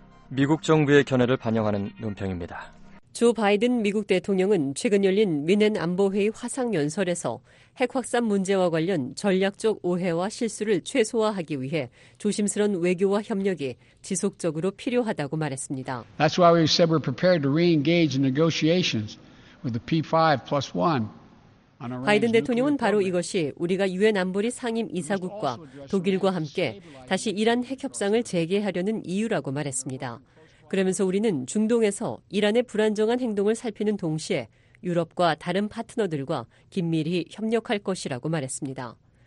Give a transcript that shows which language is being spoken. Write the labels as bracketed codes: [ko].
[ko] 미국 정부의 견해를 반영하는 논평입니다. 조 바이든 미국 대통령은 최근 열린 미넨 안보회의 화상연설에서 핵 확산 문제와 관련 전략적 오해와 실수를 최소화하기 위해 조심스러운 외교와 협력이 지속적으로 필요하다고 말했습니다. [en] That's why we said we're prepared to re-engage in negotiations with the P5 plus one. [ko] 바이든 대통령은 바로 이것이 우리가 유엔 안보리 상임 이사국과 독일과 함께 다시 이란 핵 협상을 재개하려는 이유라고 말했습니다. 그러면서 우리는 중동에서 이란의 불안정한 행동을 살피는 동시에 유럽과 다른 파트너들과 긴밀히 협력할 것이라고 말했습니다.